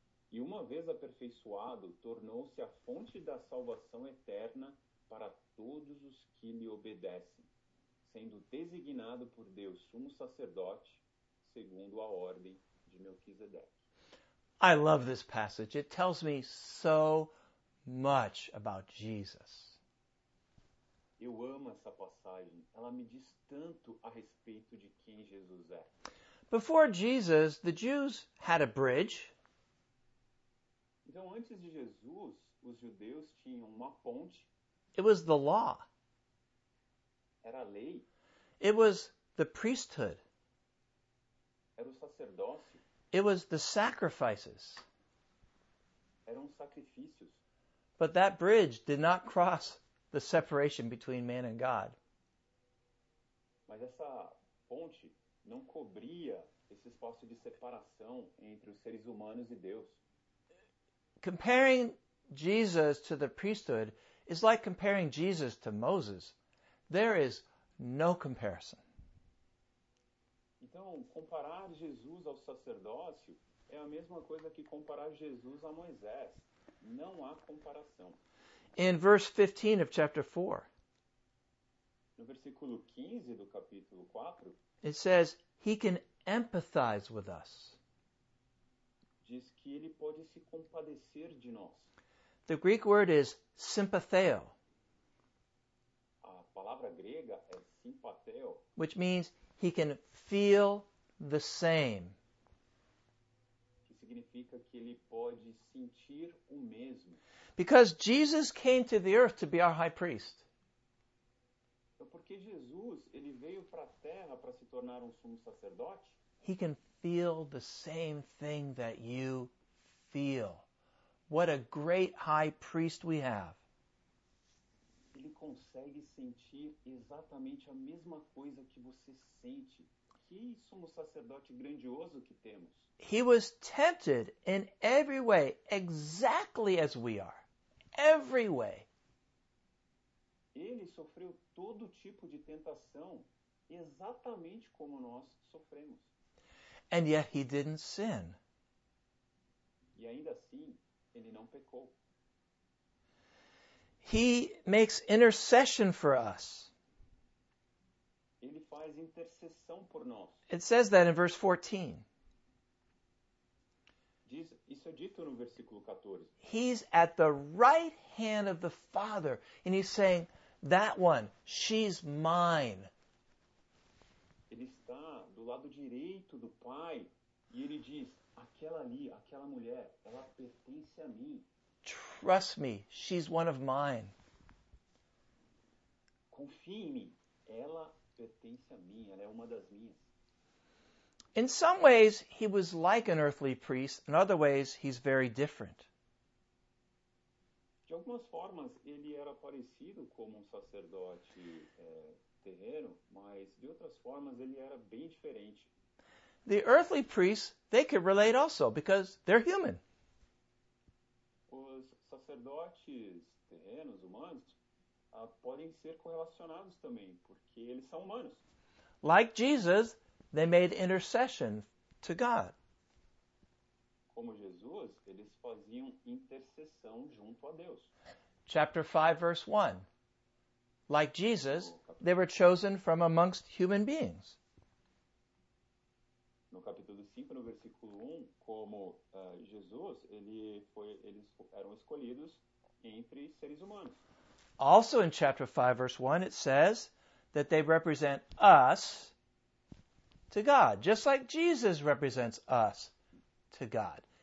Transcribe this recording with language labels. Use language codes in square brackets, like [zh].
[pt] E uma vez aperfeiçoado, tornou-se a fonte da salvação eterna para todos os que lhe obedecem, sendo designado por Deus sumo sacerdote, segundo a ordem de Melquisedeque. [en] I love this passage. It tells me so much about Jesus. [pt] Eu amo essa passagem. Ela me diz tanto a respeito de quem Jesus é. [en] Before Jesus, the Jews had a bridge. [pt] Então, antes de Jesus, os judeus tinham uma ponte. [en] It was the law. [pt] Era a lei. [en] It was the priesthood. [pt] Era o sacerdócio. [en] It was the sacrifices. [pt] Eram sacrifícios. [en] But that bridge did not cross the separation between man and God. [pt] Mas essa ponte não cobria esse espaço de separação entre os seres humanos e Deus. [en] Comparing Jesus to the priesthood is like comparing Jesus to Moses. There is no comparison. [pt] Então, comparar Jesus ao sacerdócio é a mesma coisa que comparar Jesus a Moisés. Não há comparação. [en] In verse 15 of chapter 4. [pt] No versículo 15 do capítulo 4. [en] It says, he can empathize with us. [pt] Diz que ele pode se compadecer de nós. [en] The Greek word is sympatheo. [pt] A palavra grega é sympatheo. [en] Which means he can feel the same. [pt] Que significa que ele pode sentir o mesmo. [en] Because Jesus came to the earth to be our high priest. [pt] Porque Jesus, ele veio para a terra para se tornar sumo sacerdote. [en] He can feel the same thing that you feel. What a great high priest we have. [pt] Ele consegue sentir exatamente a mesma coisa que você sente. Que sumo sacerdote grandioso que temos. [en] He was tempted in every way, exactly as we are. Every way. [pt] Ele sofreu todo tipo de tentação exatamente como nós sofremos. [en] And yet he didn't sin. [pt] E ainda assim, ele não pecou. [en] He makes intercession for us. [pt] Ele faz intercessão por nós. [en] It says that in verse 14. [pt] Isso é dito no versículo 14. [en] He's at the right hand of the Father, and he's saying, that one, she's mine. [pt] Ele está do lado direito do Pai, e ele diz, aquela ali, aquela mulher, ela pertence a mim. [en] Trust me, she's one of mine. [pt] Confie em mim, ela pertence a mim, ela é uma das minhas. [en] In some ways, he was like an earthly priest. In other ways, he's very different. [pt] De algumas formas, ele era parecido como sacerdote terreno, mas de outras formas, ele era bem diferente. [en] The earthly priests, they could relate also, because they're human. [pt] Os sacerdotes terrenos, humanos, podem ser correlacionados também, porque eles são humanos. [en] Like Jesus, they made intercession to God. [pt] Como Jesus, eles faziam intercessão junto a Deus. [en] Chapter 5, verse 1. Like Jesus, they were chosen from amongst human beings. [pt] No capítulo 5, no versículo 1, como Jesus, eles eram escolhidos entre seres humanos. [en] Also in chapter 5, verse 1, it says that they represent us to God, just like Jesus represents us to God.